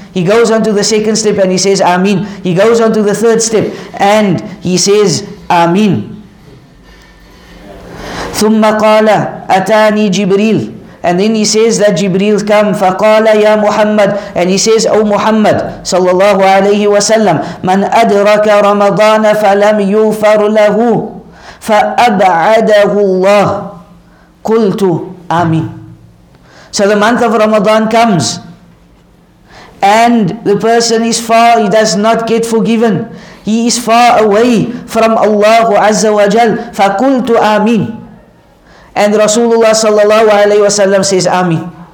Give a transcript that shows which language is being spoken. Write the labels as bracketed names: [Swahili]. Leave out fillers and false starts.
[English] He goes onto the second step and he says Ameen. He goes onto the third step and he says Ameen. [Arabic] ثُمَّ قَالَ أَتَانِي جِبْرِيلُ. [English] And then he says that Jibreel come. [Arabic] فَقَالَ يَا مُحَمَّدُ. [English] And he says, O Muhammad [Arabic] صلى الله عليه وسلم, مَنْ أَدْرَكَ رَمَضَانَ فَلَمْ يُوفَرْ لَهُ فَأَبْعَدَهُ اللَّهُ قُلْتُ Ameen. [English] So the month of Ramadan comes and the person is far, he does not get forgiven. He is far away from Allah Azza wa Jal. فَقُلْتُ Ameen. And Rasulullah sallallahu alayhi wa sallam says Ameen.